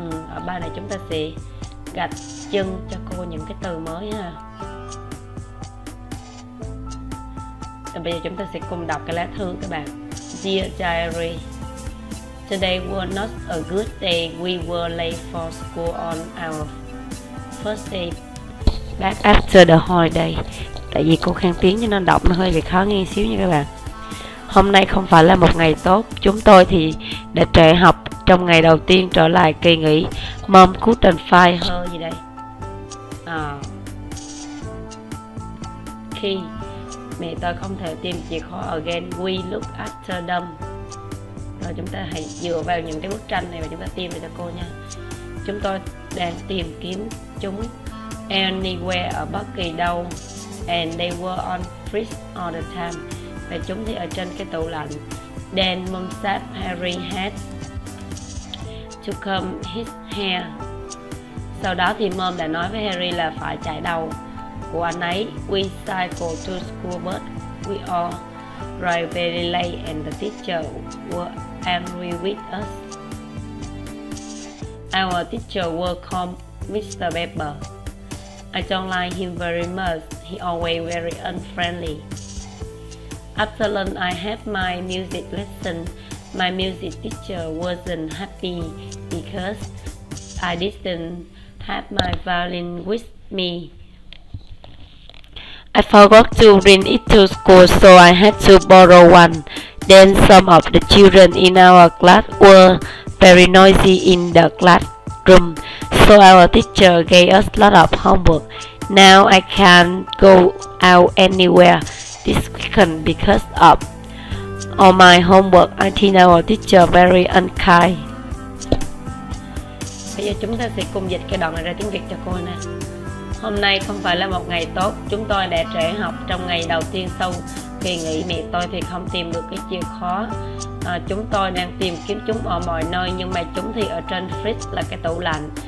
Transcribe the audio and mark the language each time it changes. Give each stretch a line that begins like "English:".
Vietnamese: Ở bài này chúng ta sẽ gạch chân cho cô những cái từ mới ha. Rồi bây giờ chúng ta sẽ cùng đọc cái lá thư các bạn.
English: Dear diary. Today was not a good day. We were late for school on our first day back after the holiday.
Vietnamese: Tại vì cô khan tiếng cho nên đọc nó hơi bị khó nghe xíu nha các bạn. Hôm nay không phải là một ngày tốt. Chúng tôi thì đã trễ học trong ngày đầu tiên trở lại kỳ nghỉ.
English: Mom couldn't find her
Vietnamese: gì đây? Khi mẹ tôi không thể tìm chìa khóa
English: again, we look after them.
Vietnamese: Rồi chúng ta hãy dựa vào những cái bức tranh này và chúng ta tìm về cho cô nha. Chúng tôi đang tìm kiếm chúng anywhere, ở bất kỳ đâu.
English: And they were on fridge all the time.
Vietnamese: Và chúng thì ở trên cái tủ lạnh.
English: Then mom said Harry had to comb his hair.
Vietnamese: Sau đó thì mom đã nói với Harry là phải chải đầu của anh ấy.
English: We cycle to school but we all arrived very late and the teacher were angry with us. Our teacher were called Mr. Pepper. I don't like him very much. He always very unfriendly. After lunch, I had my music lesson. My music teacher wasn't happy because I didn't have my violin with me. I forgot to bring it to school, so I had to borrow one. Then some of the children in our class were very noisy in the classroom, so our teacher gave us a lot of homework. Now I can't go out anywhere this weekend because of all my homework. I think our teacher very unkind.
Vietnamese: Bây giờ chúng ta sẽ cùng dịch cái đoạn này ra tiếng Việt cho cô nè. Hôm nay không phải là một ngày tốt. Chúng tôi đã trễ học trong ngày đầu tiên sau kỳ nghỉ. Mẹ tôi thì không tìm được cái chìa khóa. Chúng tôi đang tìm kiếm chúng ở mọi nơi, nhưng mà chúng thì ở trên fridge là cái tủ lạnh.